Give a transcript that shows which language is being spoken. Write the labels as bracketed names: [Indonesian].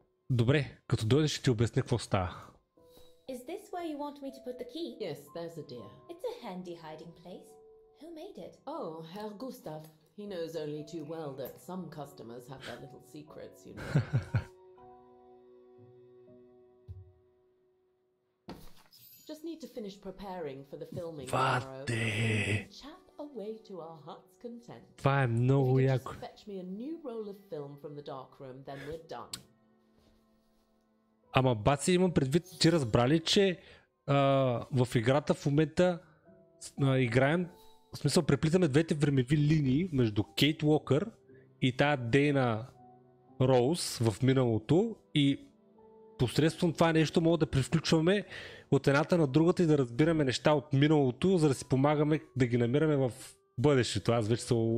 [Bulgarian] Добре, като дойдеш ще ти обясня какво става. [English] Is this where you want me to put the key? Yes, there's a dear. It's a handy hiding place. Who made it? Oh, Herr Gustav. He knows only too well that some customers have their little secrets, you know. Just need to finish preparing for the filming tomorrow. Chat away to our heart's content. Fine, no, if you could just fetch me a new roll of film from the darkroom, then we're done. [Bulgarian] Ама баци, имам предвид, ти разбрали, че в играта в момента играем... В смисъл, преплитаме двете времеви линии между Кейт Уокър и тая Дейна Роуз в миналото и посредством това нещо мога да превключваме от едната на другата и да разбираме неща от миналото, за да си помагаме да ги намираме в бъдещето. Аз вече са...